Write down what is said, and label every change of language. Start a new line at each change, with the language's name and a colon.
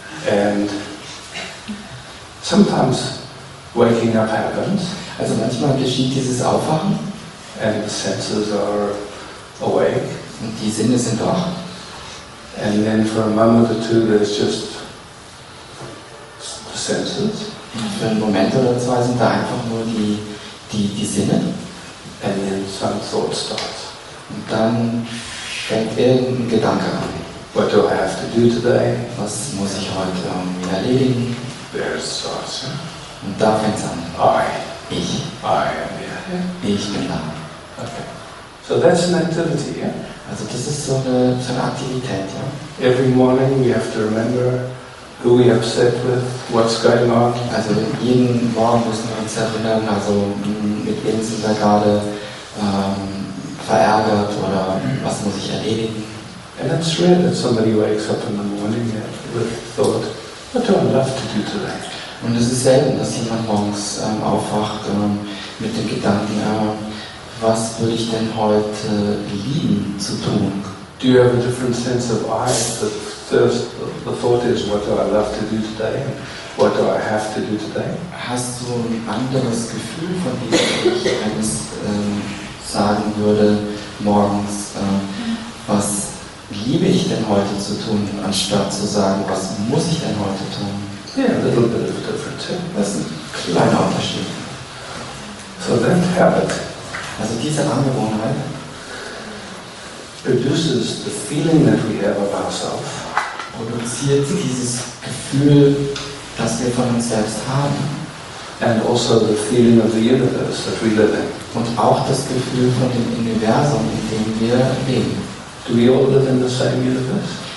English: And sometimes waking up happens.
German: Also manchmal geschieht dieses Aufwachen.
English: And the senses are awake.
German: Und die Sinne sind wach.
English: And then for a moment or two there's just the senses.
German: Und für einen Moment oder zwei sind da einfach nur die Sinne.
English: And then some thought starts.
German: Und dann fängt irgendein Gedanke an.
English: What do I have to do today?
German: Was muss ich heute erledigen?
English: There it starts.
German: Und da fängt es an.
English: I.
German: Ich.
English: I am here.
German: Ich bin da.
English: Okay. So that's an activity, yeah?
German: Also das ist so eine Aktivität, ja?
English: Every morning we have to remember who we upset with, what's going on.
German: Also jeden Morgen müssen wir uns erinnern, also mit wem sind wir gerade verärgert oder was muss ich erledigen.
English: And it's rare that somebody wakes up in the morning with thought, what do I love to do today?
German: Und es ist selten, dass jemand morgens aufwacht mit dem Gedanken, was würde ich denn heute lieben zu tun?
English: Do you have a different sense of I? The thought is, what do I love to do today? What do I have to do today?
German: Hast du ein anderes Gefühl von dem, was ich eines sagen würde morgens? Was liebe ich denn heute zu tun, anstatt zu sagen, was muss ich denn heute tun?
English: Yeah, a little bit of a difference.
German: Das ist ein kleiner Unterschied.
English: So then, habit.
German: Also diese Angewohnheit
English: produces the feeling that we have of ourselves.
German: Produziert dieses Gefühl, das wir von uns selbst haben.
English: And also the feeling of the universe that we live in.
German: Und auch das Gefühl von dem Universum, in dem wir leben.
English: Do we all live in the same universe?